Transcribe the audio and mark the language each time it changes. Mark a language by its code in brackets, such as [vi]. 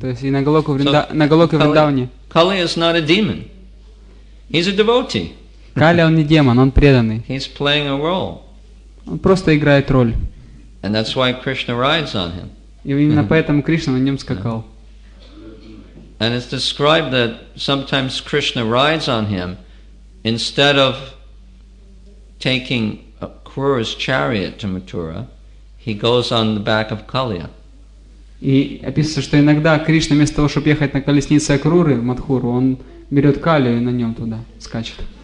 [ru] То есть и на Голоку на Голоке Вриндаване. [en] Kali is not a demon. He's a devotee. [ru] Кали, он не демон, он преданный. [en] He's playing a role. [ru] Он просто играет роль. [en] And that's why Krishna rides on him. [ru] И именно поэтому Кришна на нем скакал. [en] And it's described that sometimes Krishna rides on him instead of taking Kuru's chariot to Mathura, he goes on the back of Kali. [ru] И описывается, что иногда Кришна вместо того, чтобы ехать на колеснице Акруры в Матхуру, он берет Кали и на нем туда скачет.